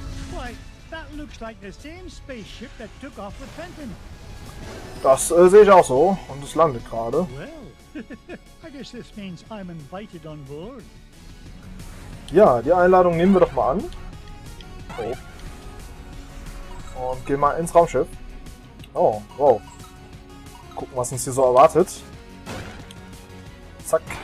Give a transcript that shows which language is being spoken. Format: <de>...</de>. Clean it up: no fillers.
<en>Why, that looks like the same spaceship that took off with Fenton.</en> <de>Das sehe ich auch so und es landet gerade.</de> <en>Well, I guess this means I'm invited on board.</en> <de>Ja, die Einladung nehmen wir doch mal an. Oh. Und gehen mal ins Raumschiff. Oh, wow. Gucken, was uns hier so erwartet. Zack.</de>